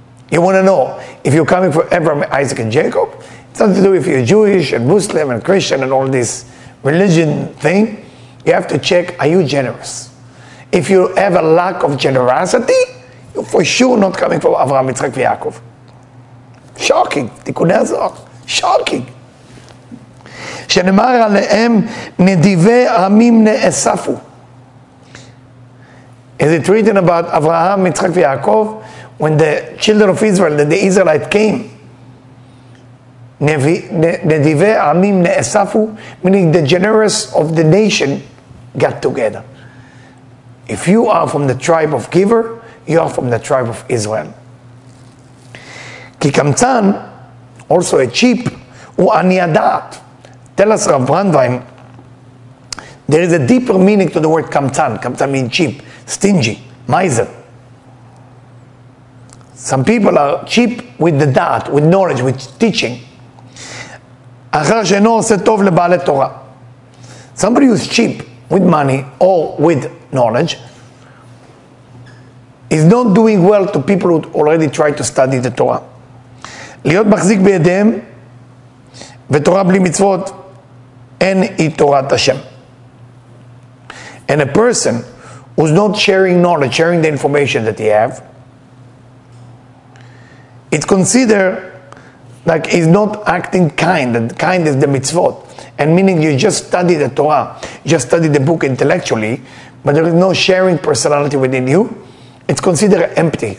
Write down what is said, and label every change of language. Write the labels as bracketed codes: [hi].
[en] You want to know, if you're coming from Abraham, Isaac, and Jacob, it's nothing to do if you're Jewish, and Muslim, and Christian, and all this religion thing. You have to check, are you generous? If you have a lack of generosity, you're for sure not coming from Abraham, Yitzchak, and Yaakov. Shocking. Tikkun HaZohar. Shocking. [he] שנאמר עליהם נדיבי עמים נאספו. [en] Is it written about Abraham, Yitzchak, and Yaakov? When the children of Israel, the Israelites came, [he] נדיבי עמים נאספו, [en] meaning the generous of the nation got together. If you are from the tribe of giver, you are from the tribe of Israel. [he] כי קמצן, [en] also a sheep, [he] הוא עני הדעת. [en] Tell us, Rav Brandwein, there is a deeper meaning to the word kamtan. Kamtan means cheap, stingy, miser. Some people are cheap with the da'at, with knowledge, with teaching. [he] אחר שאינו עושה טוב לבעלי תורה. [en] Somebody who is cheap with money or with knowledge is not doing well to people who already tried to study the Torah. [he] להיות מחזיק בידיהם ותורה בלי מצוות אין היא תורת השם. [en] And a person who's not sharing knowledge, sharing the information that he have, it's considered like he's not acting kind, and kind is the mitzvot. And meaning you just study the Torah, just study the book intellectually, but there is no sharing personality within you, it's considered empty.